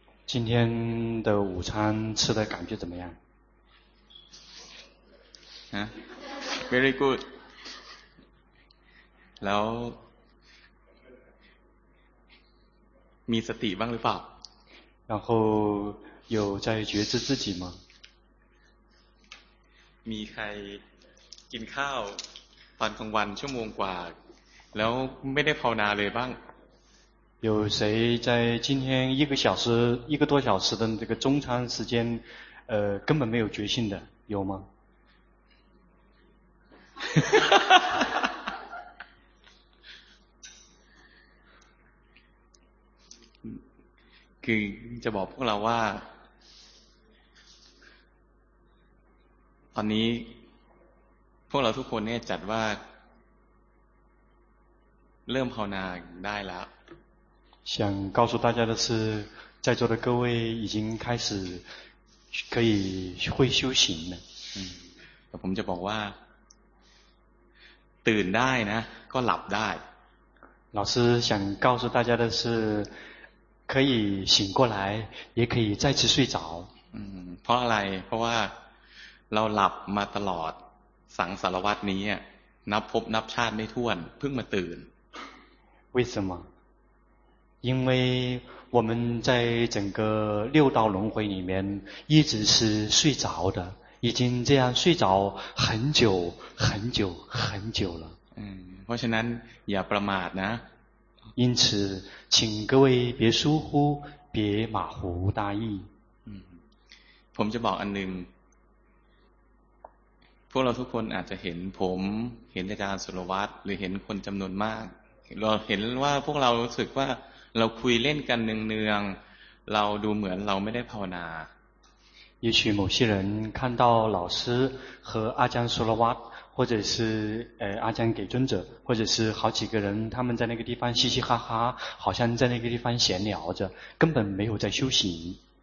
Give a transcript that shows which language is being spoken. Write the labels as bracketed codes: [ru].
[zh] 今天的午餐吃的感觉怎么样 [th] ฮะ [en] very good [th] แล้วมีสติบ้างหรือเปล่า [zh] 然后有在觉知自己吗 [th] มีใครกินข้าวตอนกลางวันชั่วโมงกว่าแล้วไม่ได้ภาวนาเลยบ้าง [zh] 有谁在今天一个小时一个多小时的这个中餐时间根本没有决心的有吗 [th] คือจะบอกพวกเราว่าตอนนี้พวกเราทุกคนเนี่ยจัดว่าเริ่มภาวนาได้แล้ว [zh] 想告诉大家的是在座的各位已经开始可以会修行了 [th] ผมจะบอกว่าตื่นได้นะก็หลับได้ [zh] 老师想告诉大家的是可以醒过来也可以再次睡着 [th] เพราะอะไรเพราะว่าเราหลับมาตลอดสังสารวัฏนี้นับพบนับชาติไม่ถ้วนเพิ่งมาตื่น [zh] 为什么因为我们在整个六道轮回里面一直是睡着的已经这样睡着很久很久很久了 [th] เพราะฉะนั้นอย่าประมาทนะ [zh] 因此请各位别疏忽别马虎大意 [th] ผมจะบอกอันหนึ่งพวกเราทุกคนอาจจะเห็นผมเห็นอาจารย์สุรวัตรหรือเห็นคนจำนวนมากเราเห็นว่าพวกเรารู้สึกว่าเราคุยเล่นกันเนืองๆเราดูเหมือนเราไม่ได้ภาวนา [zh] 也许某些人看到老师和阿江苏罗瓦或者是阿江给尊者或者是好几个人他们在那个地方嘻嘻哈哈好像在那个地方闲聊着根本没有在修行